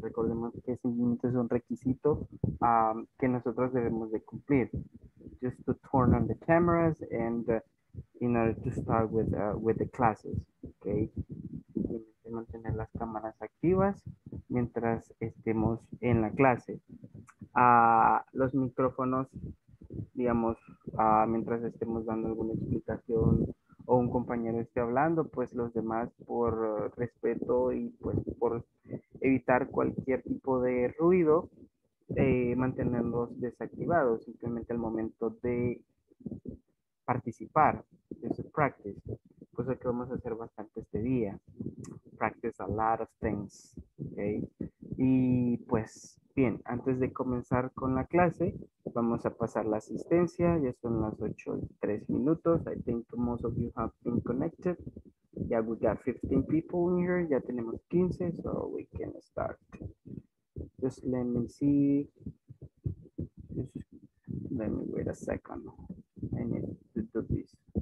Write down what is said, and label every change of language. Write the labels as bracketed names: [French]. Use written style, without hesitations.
[Spanish] Recordemos que simplemente es un requisito que nosotros debemos de cumplir. [English] Just to turn on the cameras and in order to start with the classes, okay? [Spanish] Mantener las cámaras activas mientras estemos en la clase. Los micrófonos, digamos, mientras estemos dando alguna explicación o un compañero esté hablando, pues los demás, por respeto y pues por evitar cualquier tipo de ruido, mantenerlos desactivados, simplemente al momento de participar, es practice, cosa que vamos a hacer bastante este día. [English] Practice a lot of things, okay? [Spanish] Y pues bien, antes de comenzar con la clase, vamos a pasar la asistencia. Ya son las 8:03 minutos. [English] I think most of you have been connected. Yeah, we got 15 people in here. [Spanish] Ya tenemos 15, [English] so we can start. Just let me see. Just let me wait a second. I need to do this.